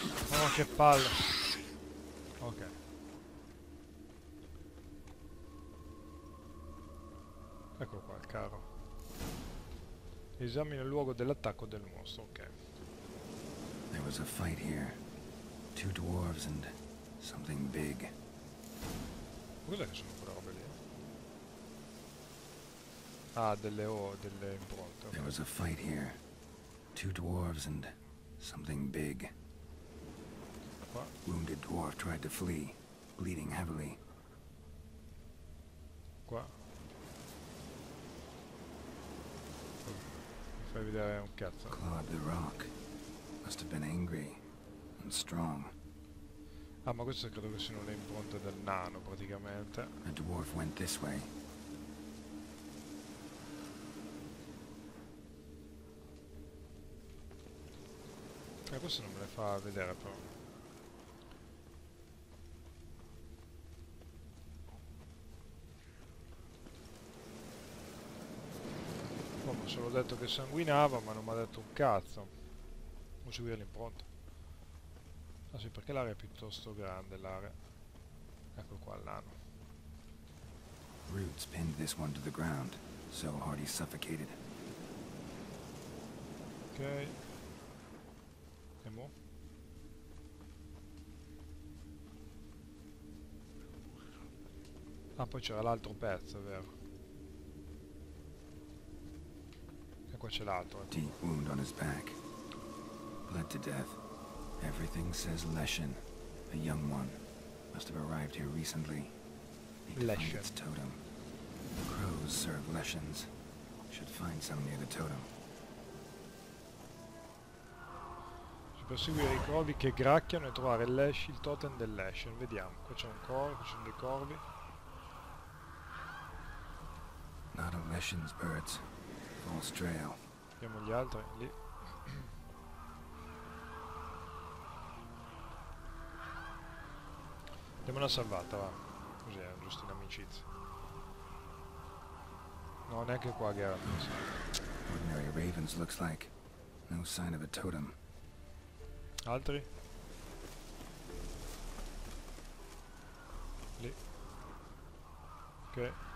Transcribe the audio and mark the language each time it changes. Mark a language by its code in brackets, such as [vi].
[it] Oh, che palle. Ok. Ecco qua il carro. Esamina il luogo dell'attacco del mostro, ok. [en] There was a fight here. Two dwarves and something big. [it] Cos'è che sono quelle robe lì? Ah, delle O, delle impronte. [en] There was a fight here. Two dwarves and something big. [it] Qua. [en] Wounded dwarf tried to flee, bleeding heavily. [it] Qua. Mi fai vedere un cazzo. [en] Clawed the rock. Must have been angry and strong. [it] Ah, ma queste credo che siano le impronte del nano, praticamente. [en] A dwarf went this way. [it] Questo non me le fa vedere però. Poi mi ha solo detto che sanguinava, ma non mi ha detto un cazzo. Non seguire l'impronta. Ah sì, perché l'area è piuttosto grande, l'area. Ecco qua l'anno. [en] Roots pinned this one to the ground, so Hardy suffocated. Ok. [it] E mo? Ah, poi c'era l'altro pezzo, è vero. E qua c'è l'altro. [en] Deep wound on his back. Bled to death. Everything says Leshen. A young one. Must have arrived here recently. Leshen. Its totem. The crows serve Leshens. Should find some near the totem. [it] Per seguire i corvi che gracchiano e trovare il totem del Leshen. Vediamo, qua c'è un corvo, qua ci sono dei corvi. [en] Not a Leshen's birds. False trail. [it] Vediamo gli altri lì. Diamo una salvata, va. Così è giusto in amicizia. No, neanche qua Geralt. [en] Ordinary ravens looks like. No sign of a totem. [it] Altri? Lì. Ok.